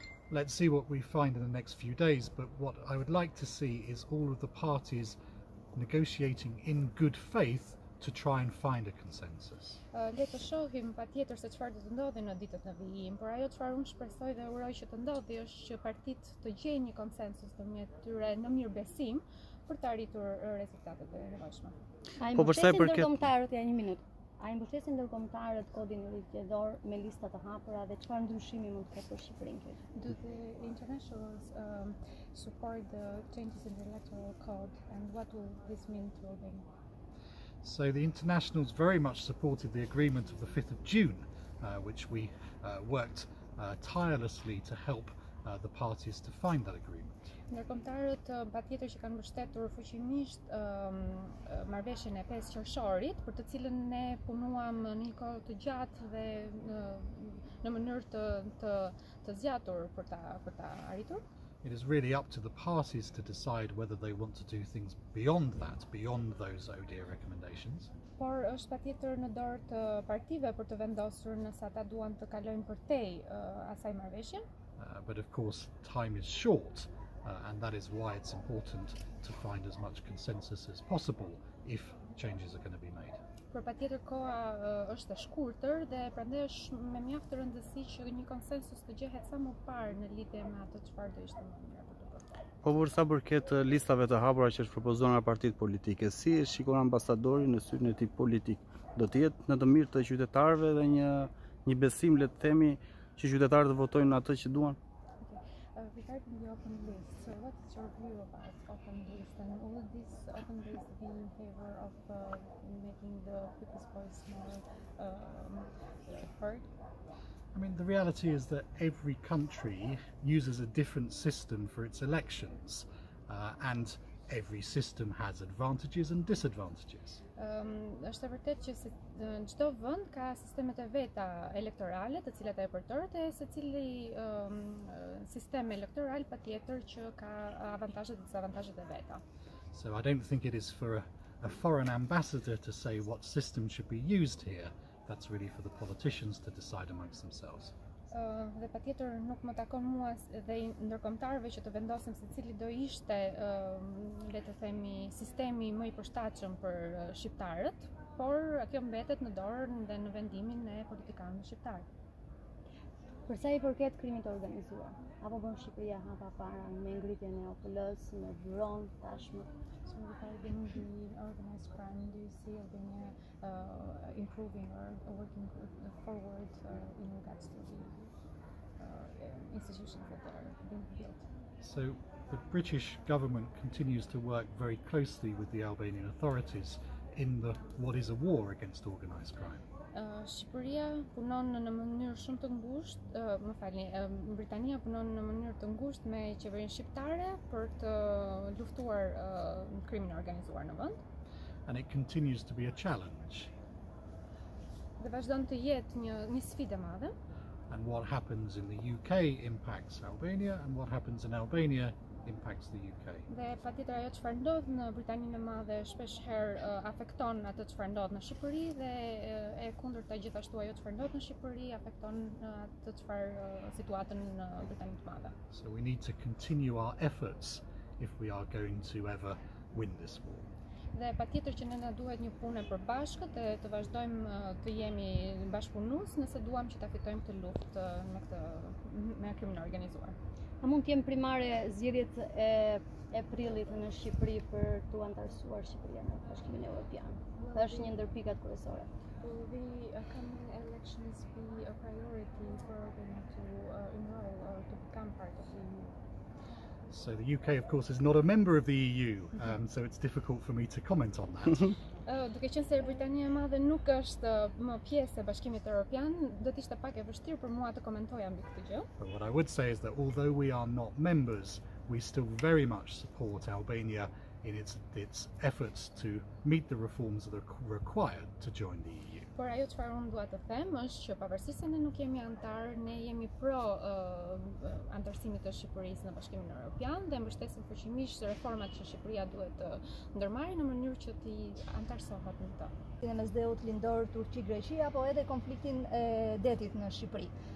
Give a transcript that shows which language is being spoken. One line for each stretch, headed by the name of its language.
English: Let's see what we find in the next few days, but what I would like to see is all of the parties negotiating in good faith to try and find a consensus.
Albanian: Le të shohim patjetër se çfarë do të ndodhë në ditët në vijim, por ajo çfarë unë shpresoj dhe uroj që të ndodhë është që partitë të gjejnë një konsensus në mes tyre në mirëbesim për të arritur rezultatet e nevojshme. Po për sa I përket ndërkombëtarët ja një minutë. A I mbështesin ndërkombëtarët kodin zgjedhor me lista të hapura dhe çfarë ndryshimi mund të ketë për Shqipërinë këtu?
English: Do the internationals support the changes in the electoral code and what will this mean to Albania? So the internationals very much supported the agreement of the 5th of June, which we worked tirelessly to help the parties to find that agreement.
Albanian: Ndërkombëtarët patjetër që kanë mbështetur fuqishmisht marrëveshjen e 5 qershorit, për të cilën ne punuam në një kohë të gjatë dhe në mënyrë të zgjatur për ta arritur.
English: It is really up to the parties to decide whether they want to do things beyond that, beyond those ODA recommendations.
Albanian: Por është patjetër në dorë të partive për të vendosur nëse ata duan të kalojnë përtej asaj marrëveshje.
English: But of course, time is short, and that is why it's important to find as much consensus as possible if changes are going to be made.
Albanian: Por patjetër koha është e shkurtër dhe prandaj është me mjaft rëndësi që një konsensus të gjehet sa më parë në lidhje me atë çfarë do ishte më mirë. Po për sa përket listave të hapura që është propozuar nga partitë politike, si e shikon ambasadori në syrin e tij politik do të jetë në të mirë të qytetarëve dhe një besim, le të themi, që qytetarët votojnë atë që duan.
English: Regarding the open list, so what's your view about open list, and would this open list be in favor of making the people's voice more heard? I mean, the reality is that every country uses a different system for its elections, and every system has advantages and disadvantages.
Albanian: Është e vërtetë që çdo vend ka sistemet e veta elektorale, të cilat e përdoret, e secili sistem elektoral patjetër që ka avantazhe dhe dezavantazhe të veta.
English: So I don't think it is for a foreign ambassador to say what system should be used here. That's really for the politicians to decide amongst themselves.
Albanian: Dhe patjetër nuk më takon mua dhe ndërkombëtarëve që të vendosim se cili do ishte, le të themi, sistemi më i përshtatshëm për shqiptarët, por kjo mbetet në dorën dhe në vendimin e politikanëve shqiptar. Përsa i përket krimit të organizuar, apo bën Shqipëria hapa para me ngritjen e OPL-s, me dron tashmë?
English: So regarding the organized crime, do you see Albania improving or working forward in regards to the institutions that are being built? So the British government continues to work very closely with the Albanian authorities in the what is a war against organized crime.
Albanian: Shqipëria punon në mënyrë shumë të ngushtë, më falni, Britania punon në mënyrë të ngushtë me qeverinë shqiptare për të luftuar krimin organizuar në vend.
English: And it continues to be a challenge.
Albanian: Dhe vazhdon të jetë një sfidë e madhe.
English: And what happens in the UK impacts Albania, and what happens in Albania impacts the UK.
Albanian: Dhe patjetër ajo çfarë ndodh në Britaninë e Madhe shpeshherë afekton atë çfarë ndodh në Shqipëri dhe e kundërta gjithashtu ajo çfarë ndodh në Shqipëri afekton atë çfarë situatën në Britaninë e Madhe.
English: So we need to continue our efforts if we are going to ever win this war.
Albanian: Dhe patjetër që ne duhet një punë përbashkët dhe të vazhdojmë të jemi bashkëpunues nëse duam që ta fitojmë këtë luftë me këtë me krimin organizuar. A mund të jenë primare zgjedhjet e prillit në Shqipëri për të antarësuar Shqipërinë në Bashkimin Evropian? Dhe është një ndër pikat kryesore.
English: Will the coming elections be a priority for them to enroll or to become part of the EU? So the UK of course is not a member of the EU, so it's difficult for me to comment on that.
Albanian: Duke qenë se Britania e Madhe nuk është më pjesë e Bashkimit Evropian, do të ishte pak e vështirë për mua të komentoj ambi këtë gjë.
English: But what I would say is that although we are not members, we still very much support Albania in its efforts to meet the reforms that are required to join the EU.
Albanian: Por ajo çfarë unë dua të them është që pavarësisht se ne nuk jemi anëtar, ne jemi pro anëtarësimit të Shqipërisë në Bashkimin Evropian dhe mbështesim fuqimisht reformat që Shqipëria duhet të ndërmarrë në mënyrë që të anëtarësohet në të. Në mesdhetë lindor Turqi-Greqi apo edhe konfliktin e detit në Shqipëri.